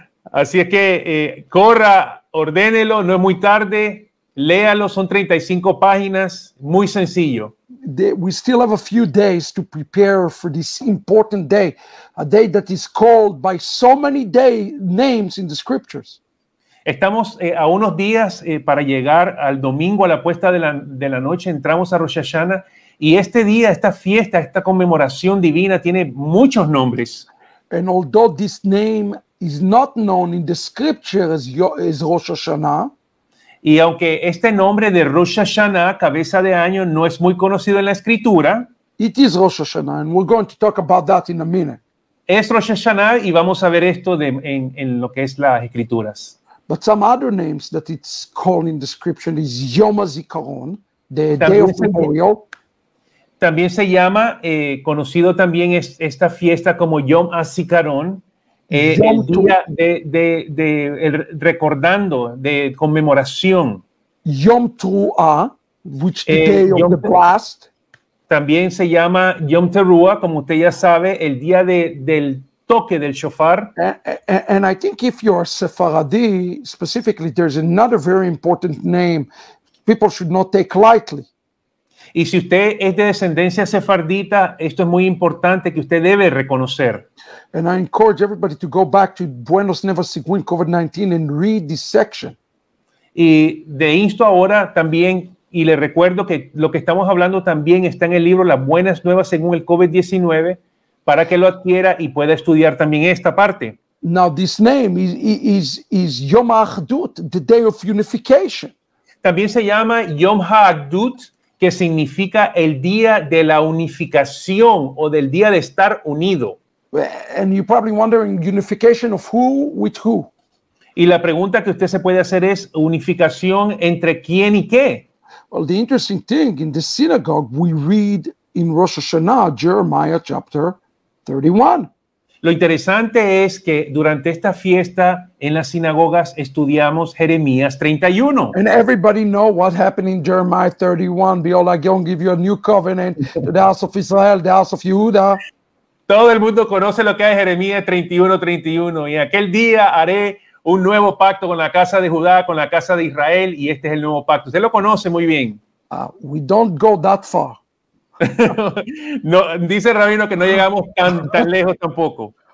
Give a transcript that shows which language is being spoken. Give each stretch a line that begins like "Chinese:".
Spanish: Así es que corra, ordénelo, no es muy tarde. Léalo, son 35 páginas, muy sencillo.
English: We still have a few days to prepare for this important day, a day that is called by so many day names in the scriptures.
Spanish: Estamos a unos días para llegar al domingo a la puesta de la noche, entramos a Rosh Hashanah, y este día, esta fiesta, esta conmemoración divina tiene muchos nombres.
English: And although this name is not known in the scriptures as Rosh Hashanah,
Spanish: y aunque este nombre de Rosh Hashanah, cabeza de año, no es muy conocido en la escritura,
English: it is Rosh Hashanah, and we're going to talk about that in a minute.
Spanish: Es Rosh Hashanah y vamos a ver esto de, en lo que es las escrituras.
English: But some other names that it's called in the scripture is Yom HaZikaron, the day of memorial.
Spanish: También se llama, conocido también es, esta fiesta como Yom HaZikaron, el día de recordando, de conmemoración.
English: Yom Teruah, which the day of the blast.
Spanish: También se llama Yom Teruah, como usted ya sabe, el día de, del toque del shofar.
English: And I think if you are Sephardi, specifically, there's another very important name people should not take lightly.
Spanish: Y si usted es de descendencia sefardita, esto es muy importante que usted debe reconocer.
English: And I encourage everybody to go back to Buenos Nuevos Sigüín COVID-19 and read this section.
Spanish: Y le insto ahora también y le recuerdo que lo que estamos hablando también está en el libro Las Buenas Nuevas Según el COVID-19 para que lo adquiera y pueda estudiar también esta parte.
English: Now this name is Yom Ha'Achdut, the day of unification.
Spanish: También se llama Yom Ha'Achdut, que significa el día de la unificación o del día de estar unido.
English: And you're probably wondering, unification of who with who?
Spanish: Y la pregunta que usted se puede hacer es, ¿unificación entre quién y qué?
English: Well, the interesting thing, in the synagogue, we read in Rosh Hashanah, Jeremiah chapter 31.
Spanish: Lo interesante es que durante esta fiesta en las sinagogas estudiamos Jeremías 31.
English: And everybody know what happened in Jeremiah 31. Behold, I'm going to give you a new covenant to the house of Israel, the house of Yehuda.
Spanish: Todo el mundo conoce lo que es Jeremías 31:31. Y aquel día haré un nuevo pacto con la casa de Judá, con la casa de Israel, y este es el nuevo pacto. Usted lo conoce muy bien.
English: We don't go that far.
Spanish: No, dice Rabino que no llegamos tan lejos tampoco.